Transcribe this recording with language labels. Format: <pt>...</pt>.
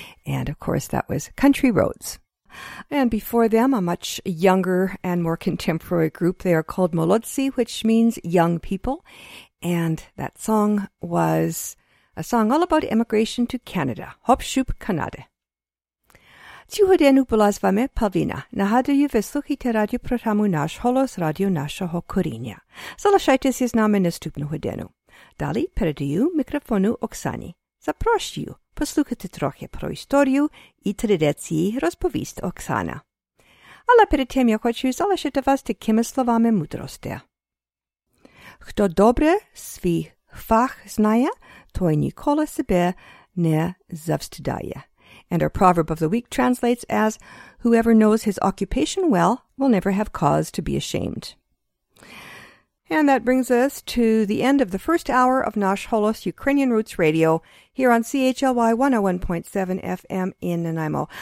<en>And of course, that was Country Roads. And before them, a much younger and more contemporary group. They are called Molodsi, which means young people. And that song was a song all about immigration to Canada.</en> <uk>Hopshup Kanade. Чуєте нас вами Павіна. Нагадую, ви слухаєте радіопрограму «Наш голос» радіо нашого коріння. Залишайтеся з нами наступну годину. Далі передаю мікрофону Оксані. Запрошую послухати трохи про історію і традиції, розповість Оксана. Але перед тим я хочу залишити вас такими словами мудрості. Хто добре свій фах знає, той ніколи себе не завстидає.</uk> <en>And our proverb of the week translates as, whoever knows his occupation well will never have cause to be ashamed. And that brings us to the end of the first hour of Nash Holos Ukrainian Roots Radio here on CHLY 101.7 FM in Nanaimo.</en>